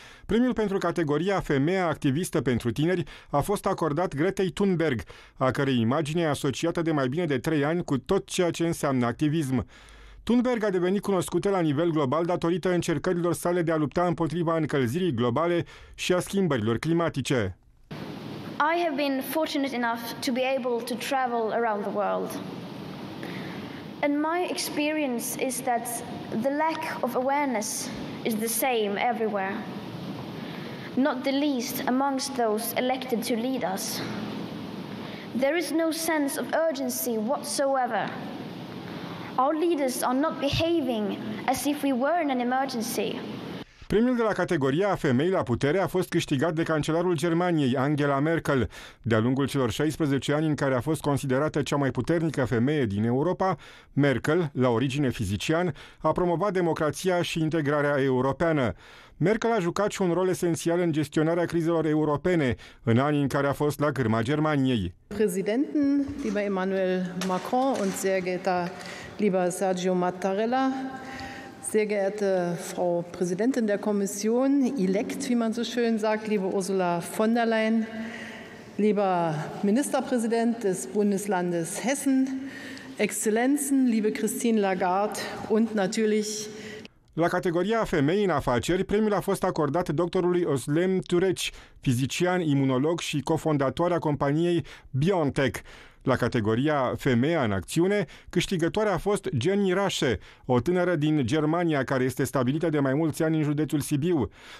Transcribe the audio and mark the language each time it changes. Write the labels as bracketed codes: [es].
[ro] Premiul pentru categoria Femeia Activistă pentru Tineri a fost acordat Gretei Thunberg, a cărei imagine e asociată de mai bine de 3 ani cu tot ceea ce înseamnă activism. Thunberg a devenit cunoscută la nivel global datorită încercărilor sale de a lupta împotriva încălzirii globale și a schimbărilor climatice. [en] I have been fortunate enough to be able to travel around the world. And my experience is that the lack of awareness is the same everywhere, not the least amongst those elected to lead us. There is no sense of urgency whatsoever. Our leaders are not behaving as if we were in an emergency. [ro] Premiul de la categoria Femei la putere a fost câștigat de cancelarul Germaniei, Angela Merkel. De-a lungul celor 16 ani în care a fost considerată cea mai puternică femeie din Europa, Merkel, la origine fizician, a promovat democrația și integrarea europeană. Merkel a jucat și un rol esențial în gestionarea crizelor europene, în anii în care a fost la cârma Germaniei. [de] Prezidenten, lieber Emmanuel Macron und sehr geehrter lieber Sergio Mattarella, sehr geehrte Frau Präsidentin der Kommission, elect, wie man so schön sagt, liebe Ursula von der Leyen, lieber Ministerpräsident des Bundeslandes Hessen, Exzellenzen, liebe Christine Lagarde und natürlich... [ro] La categoria Femei în afaceri, premiul a fost acordat doctorului Özlem Türeç, fizician, imunolog și cofondatoarea companiei BioNTech. La categoria Femeia în acțiune, câștigătoarea a fost Jenny Rașe, o tânără din Germania care este stabilită de mai mulți ani în județul Sibiu.